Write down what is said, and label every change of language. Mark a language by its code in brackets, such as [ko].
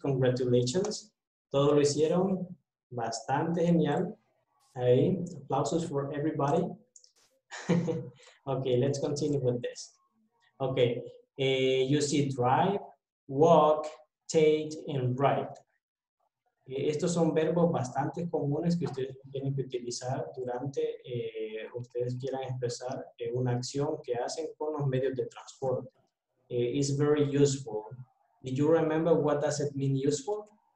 [en] Congratulations. [es] Todos lo hicieron bastante genial. [en] Hey, applauses for everybody. Okay, let's continue with this. Okay, you see drive, walk, take, and write. [es] Estos son verbos bastante comunes que ustedes tienen que utilizar durante ustedes quieran expresar una acción que hacen con los medios de transporte. [en] It's very useful. Do you remember what does it mean useful?